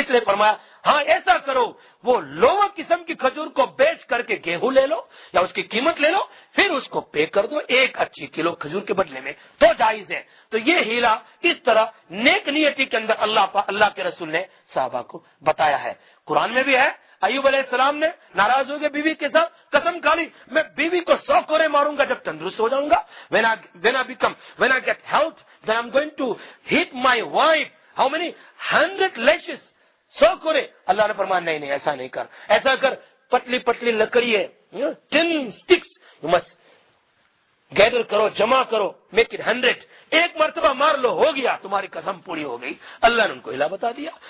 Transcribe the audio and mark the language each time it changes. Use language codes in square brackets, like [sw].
[ur] اس نے فرمایا ہاں ایسا کرو وہ لوور قسم کی کھجور کو بیچ کر کے گیہوں لے لو یا اس کی قیمت لے لو, پھر اس کو پے کر دو ایک اچھی کلو کھجور کے بدلے میں, تو جائز ہے. تو یہ ہیلا اس طرح نیک نیتی کے اندر اللہ کے رسول نے صحابہ کو بتایا ہے. قرآن میں بھی ہے, ایوب علیہ السلام نے ناراض ہو گئے بیوی کے ساتھ قسم کھا لی میں بیوی کو 100 کوڑے ماروں گا جب تندرست ہو جاؤں گا. [en] When I get health, then I'm going to hit my wife. How many? 100 lashes. [ur] 100 کوڑے. اللہ نے فرمایا نہیں ایسا نہیں کر. ایسا کر پتلی پتلی لکڑی ہے, [en] ten sticks, you must gather [ur] کرو, جمع کرو, [en] Make it 100. [ur] ایک مرتبہ مار لو, ہو گیا, تمہاری قسم پوری ہو گئی. اللہ نے ان کو ہیلا بتا دیا.